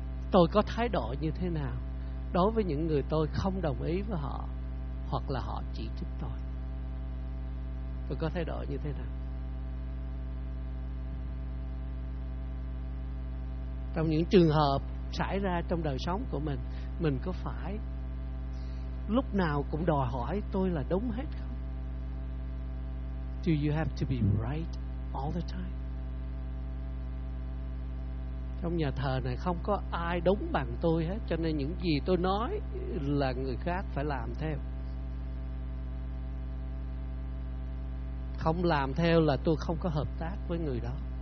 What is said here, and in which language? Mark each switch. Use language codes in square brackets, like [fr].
[vi] Tôi có thái độ như thế nào đối với những người tôi không đồng ý với họ, hoặc là họ chỉ trích tôi? Tôi có thay đổi như thế nào? Trong những trường hợp xảy ra trong đời sống của mình, mình có phải lúc nào cũng đòi hỏi tôi là đúng hết không? [en] Do you have to be right all the time? [vi] Trong nhà thờ này không có ai đúng bằng tôi hết, cho nên những gì tôi nói là người khác phải làm theo. Không làm theo là tôi không có hợp tác với người đó.